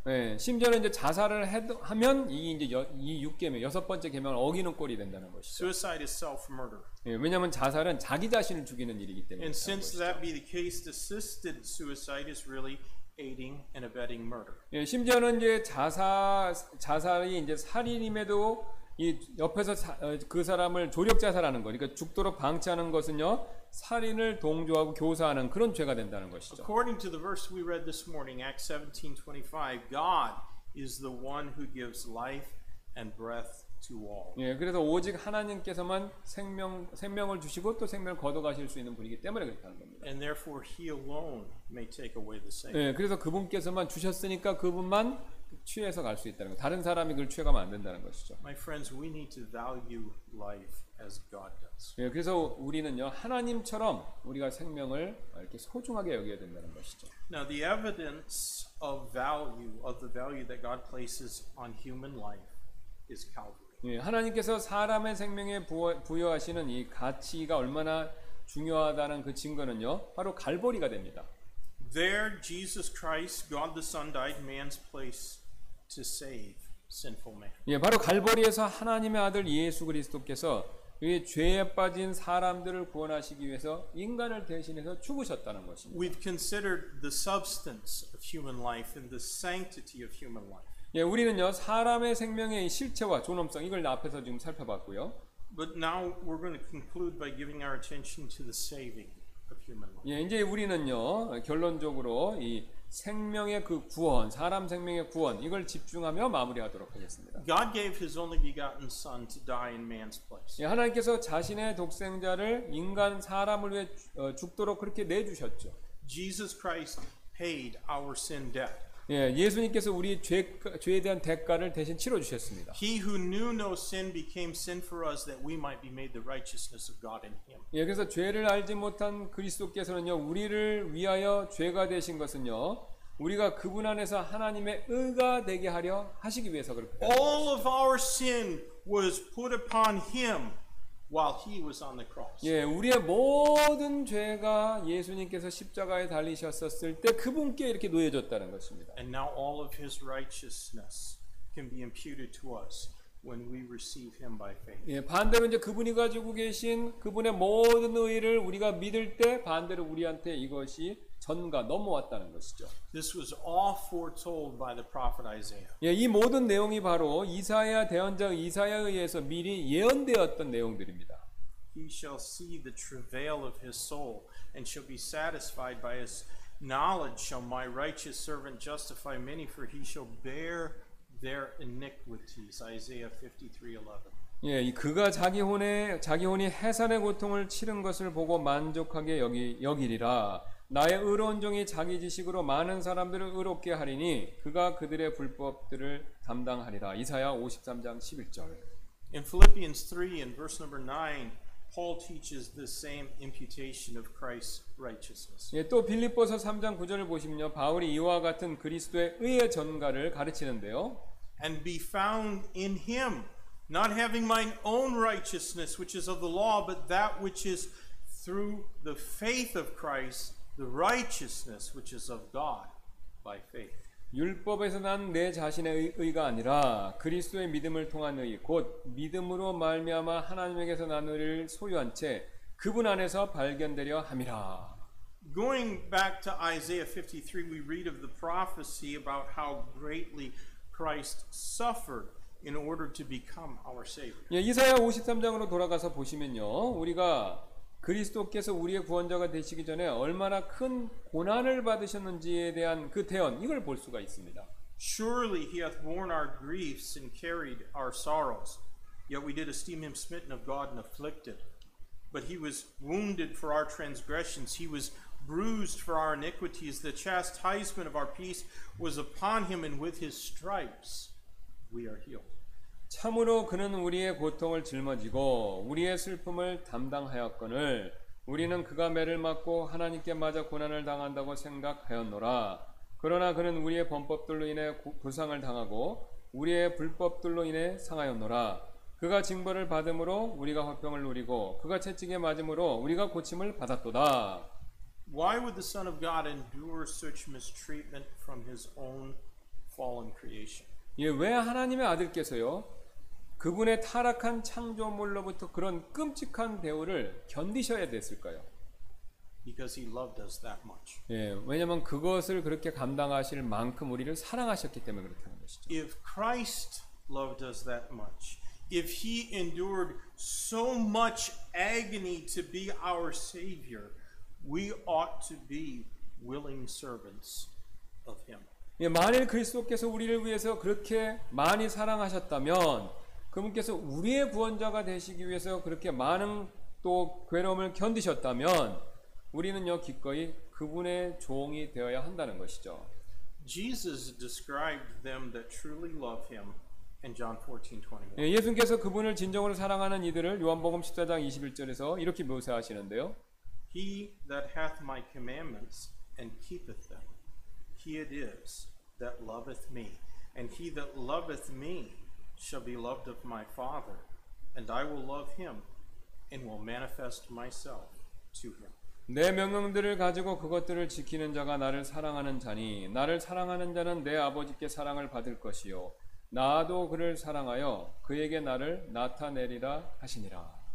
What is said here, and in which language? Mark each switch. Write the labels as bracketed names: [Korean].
[Korean] 네, 심지어는 이제 자살을 하면 이 6계명 여섯 번째 계명을 어기는 꼴이 된다는 것이죠. [English] Suicide is self-murder. [Korean] 네, 왜냐하면 자살은 자기 자신을 죽이는 일이기 때문에. [English] And since that be the case, assisted suicide is really aiding and abetting murder. [Korean] 예, 심지어는 이제 자살이 이제 살인임에도 이 옆에서 그 사람을 조력 자살하는 거, 그러니까 죽도록 방치하는 것은요 살인을 동조하고 교사하는 그런 죄가 된다는 것이죠. [English] According to the verse we read this morning, Acts 17:25, God is the one who gives life and breath to all. [Korean] 예, 그래서 오직 하나님께서만 생명을 주시고 또 생명을 거둬가실 수 있는 분이기 때문에 그렇다는 겁니다. [English] And therefore, He alone may take away the same. [Korean] 예, 그래서 그분께서만 주셨으니까 그분만 취해서 갈 수 있다는 거. 다른 사람이 그걸 취해가면 안 된다는 것이죠. [English] My friends, we need to value life as God does. [Korean] 예, 그래서 우리는요 하나님처럼 우리가 생명을 이렇게 소중하게 여겨야 된다는 것이죠. [English] Now, the evidence of value of the value that God places on human life. Is Calvary. [Korean] 예, 하나님께서 사람의 생명에 부여하시는 이 가치가 얼마나 중요하다는 그 증거는요, 바로 갈보리가 됩니다. [English] There, Jesus Christ, God the Son, died man's place to save sinful man. [Korean] 예, 바로 갈보리에서 하나님의 아들 예수 그리스도께서 이 죄에 빠진 사람들을 구원하시기 위해서 인간을 대신해서 죽으셨다는 것입니다. [English] We've considered the substance of human life and the sanctity of human life. [Korean] 예, 우리는요 사람의 생명의 실체와 존엄성 이걸 앞에서 지금 살펴봤고요. [English] But now we're going to conclude by giving our attention to the saving. human life. [Korean] 예, 이제 우리는요 결론적으로 이 생명의 그 구원, 사람 생명의 구원 이걸 집중하며 마무리하도록 하겠습니다. [English] God gave His only begotten Son to die in man's place. [Korean] 예, 하나님께서 자신의 독생자를 인간 사람을 위해 죽도록 그렇게 내주셨죠. [English] Jesus Christ paid our sin debt. [Korean] 예, 예수님께서 우리 죄에 대한 대가를 대신 치러 주셨습니다. [English] He who knew no sin became sin for us that we might be made the righteousness of God in him. [Korean] 예, 그래서 죄를 알지 못한 그리스도께서는요, 우리를 위하여 죄가 되신 것은요, 우리가 그분 안에서 하나님의 의가 되게 하려 하시기 위해서 그렇게. [English] All of our sin was put upon him while he was on the cross. [Korean] 예, 우리의 모든 죄가 예수님께서 십자가에 달리셨었을 때 그분께 이렇게 놓여졌다는 것입니다. [English] And now all of his righteousness can be imputed to us when we receive him by faith. [Korean] 예, 반대로 이제 그분이 가지고 계신 그분의 모든 의를 우리가 믿을 때 반대로 우리한테 이것이 전가 넘어왔다는 것이죠. [English] This was all foretold by the prophet Isaiah. [Korean] 예, 이 모든 내용이 바로 이사야 대언자 이사야에 의해서 미리 예언되었던 내용들입니다. [English] He shall see the travail of his soul and shall be satisfied by his knowledge shall my righteous servant justify many for he shall bear their iniquities. Isaiah 53:11. [Korean] 예, 그가 자기 혼이 해산의 고통을 치른 것을 보고 만족하게 여기리라. 나의 의로운 종이 자기 지식으로 많은 사람들을 의롭게 하리니 그가 그들의 불법들을 담당하리라. 이사야 53장 11절. [English] In Philippians 3 and verse number 9, Paul teaches the same imputation of Christ's righteousness. [Korean] 예, 또 빌립보서 3장 9절을 보시면요, 바울이 이와 같은 그리스도의 의의 전가를 가르치는데요. [English] And be found in him, not having mine own righteousness which is of the law, but that which is through the faith of Christ. The righteousness which is of God by faith. [Korean] 율법에서 난 내 자신의 의가 아니라 그리스도의 믿음을 통한 의, 곧 믿음으로 말미암아 하나님에게서 난 의를 소유한 채 그분 안에서 발견되려 함이라. [English] Going back to Isaiah 53, we read of the prophecy about how greatly Christ suffered in order to become our savior. [Korean] 예, 이사야 53장으로 돌아가서 보시면요, 우리가 그리스도께서 우리의 구원자가 되시기 전에 얼마나 큰 고난을 받으셨는지에 대한 그 대언 이걸 볼 수가 있습니다. [English] Surely he hath borne our griefs and carried our sorrows. Yet we did esteem him smitten of God and afflicted. But he was wounded for our transgressions, he was bruised for our iniquities. The chastisement of our peace was upon him and with his stripes we are healed. [Korean] 참으로 그는 우리의 고통을 짊어지고 우리의 슬픔을 담당하였거늘 우리는 그가 매를 맞고 하나님께 맞아 고난을 당한다고 생각하였노라. 그러나 그는 우리의 범법들로 인해 부상을 당하고 우리의 불법들로 인해 상하였노라. 그가 징벌을 받음으로 우리가 화평을 누리고 그가 채찍에 맞음으로 우리가 고침을 받았도다. [English] Why would the Son of God endure such mistreatment from his own fallen creation? [Korean] 예, 왜 하나님의 아들께서요 그분의 타락한 창조물로부터 그런 끔찍한 대우를 견디셔야 됐을까요? [English] Because he loved us that much. [Korean] 예, 왜냐면 그것을 그렇게 감당하실 만큼 우리를 사랑하셨기 때문에 그렇다는 것이죠. [English] If Christ loved us that much, if he endured so much agony to be our savior, we ought to be willing servants of him. [Korean] 예, 만일 그리스도께서 우리를 위해서 그렇게 많이 사랑하셨다면 그분께서 우리의 구원자가 되시기 위해서 그렇게 많은 또 괴로움을 견디셨다면 우리는요 기꺼이 그분의 종이 되어야 한다는 것이죠. [English] Jesus described them that truly love him in John 14:21. [Korean] 예, 예수님께서 그분을 진정으로 사랑하는 이들을 요한복음 14장 21절에서 이렇게 묘사하시는데요. [English] He that hath my commandments and keepeth them, he it is that loveth me, and he that loveth me shall be loved of my Father, and I will love him, and will manifest myself to him. [Korean] 내 명령들을 가지고 그것들을 지키는 자가 나를 사랑하는 자니 나를 사랑하는 자는 내 아버지께 사랑을 받을 것이요 나도 그를 사랑하여 그에게 나를 나타내리라 하시니라.